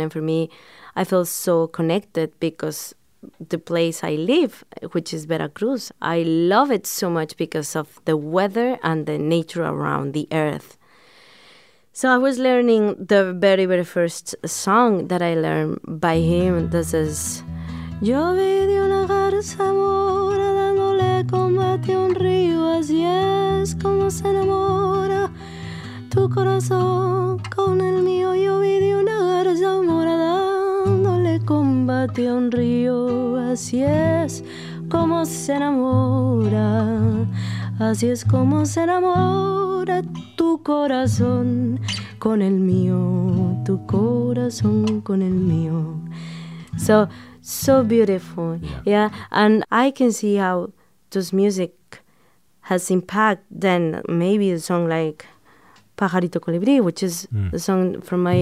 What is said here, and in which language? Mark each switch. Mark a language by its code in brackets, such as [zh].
[en] And for me, I feel so connected because the place I live, which is Veracruz, I love it so much because of the weather and the nature around the earth. So I was learning the very, very first song that I learned by him. This is... [es] Yo vi de una garza mora dándole combate a un río, así es como se enamora tu corazón con el mío. Yo vi de una garza mora dándole combate a un río, así es como se enamora, así es como se enamora tu corazón con el mío, tu corazón con el mío. [en] So beautiful, yeah. And I can see how this music has impact then maybe a song like Pajarito Colibri, which is a song from my...